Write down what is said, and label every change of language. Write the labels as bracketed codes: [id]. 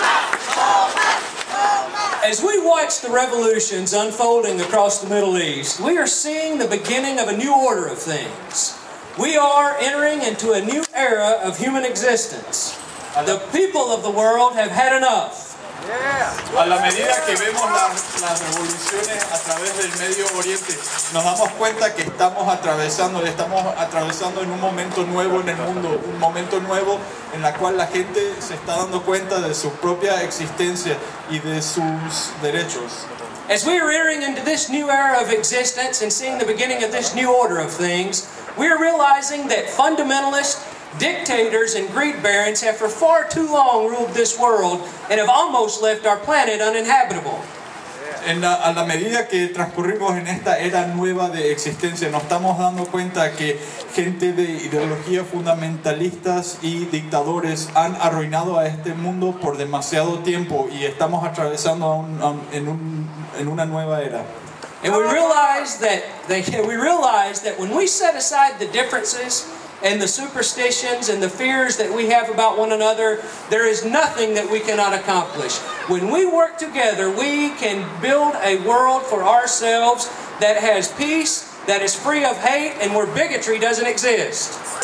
[en] As we watch the revolutions unfolding across the Middle East, we are seeing the beginning of a new order of things. We are entering into a new era of human existence. The people of the world have had enough. [es] Yeah. A la medida que vemos las revoluciones a través del Medio Oriente, nos damos cuenta que estamos atravesando en un momento nuevo en el mundo, un momento nuevo en la cual la gente se está dando cuenta de su propia existencia y de sus derechos. [en] As we are entering into this new era of existence and seeing the beginning of this new order of things, we are realizing that fundamentalists, dictators and greed barons have for far too long ruled this world and have almost left our planet uninhabitable. [es] A la medida que transcurrimos en esta era nueva de existencia, nos estamos dando cuenta que gente de ideologías fundamentalistas y dictadores han arruinado a este mundo por demasiado tiempo y estamos atravesando en una nueva era. [en] And we realize that when we set aside the differences and the superstitions and the fears that we have about one another, there is nothing that we cannot accomplish. When we work together, we can build a world for ourselves that has peace, that is free of hate, and where bigotry doesn't exist.